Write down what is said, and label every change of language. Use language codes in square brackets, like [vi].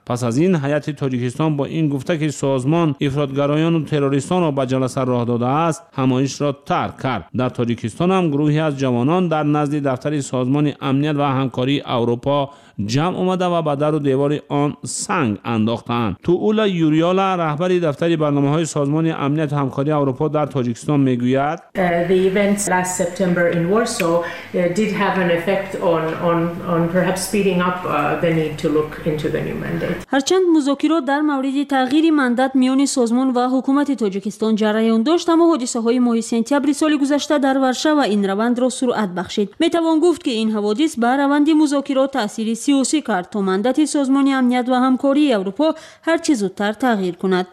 [fa] پس از این هیئت تاجیکستان با این گفته که سازمان افراطگرایان و تروریستان را به جلسه راه داده است، همایش را ترک کرد. در تاجیکستان هم گروهی از جوانان در نزد دفتر سازمان امنیت و همکاری اروپا جمع آمده و به در و دیوار آن سنگ انداختند. تولا یوریالا رهبر دفتر برنامه های سازمان امنیت و همکاری اروپا در تاجیکستان میگوید: [en] The events last September in Warsaw did have an effect on perhaps speeding up the need to look into the new mandate. [fa] هرچند مذاکرات در مورد تغییر مندات میان سازمان و حکومت تاجیکستان جریان داشت، اما حادثه های ماه سپتامبر سال گذشته در ورشو این روند را سرعت بخشید. می توان گفت که این حوادث بر روند مذاکرات تاثیر سیاسی کرد تا مندات سازمان امنیت و همکاری اروپا هر چه زودتر تغییر کند.